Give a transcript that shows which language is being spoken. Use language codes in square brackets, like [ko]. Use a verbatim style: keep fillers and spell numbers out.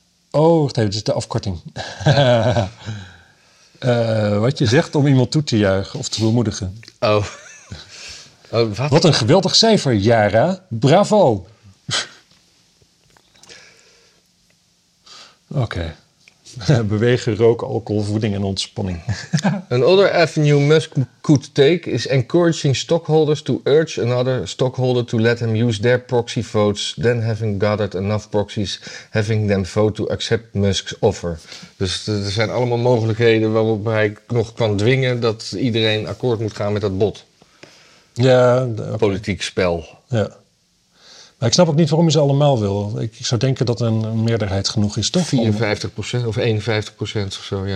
[nl] Oh, wacht even, dit is de afkorting. uh, wat je zegt om iemand toe te juichen of te bemoedigen. Oh. oh wat? wat een geweldig cijfer, Yara. Bravo. Oké. Okay. Bewegen, roken, alcohol, voeding en ontspanning. [en] Another avenue Musk could take is encouraging stockholders to urge another stockholder to let them use their proxy votes, then having gathered enough proxies, having them vote to accept Musk's offer. [nl] Dus er zijn allemaal mogelijkheden waarop hij nog kan dwingen dat iedereen akkoord moet gaan met dat bod. Ja, okay. Politiek spel. Ja. Maar ik snap ook niet waarom je ze allemaal wil. Ik zou denken dat een meerderheid genoeg is, toch? vierenvijftig procent of eenenvijftig procent of zo, ja.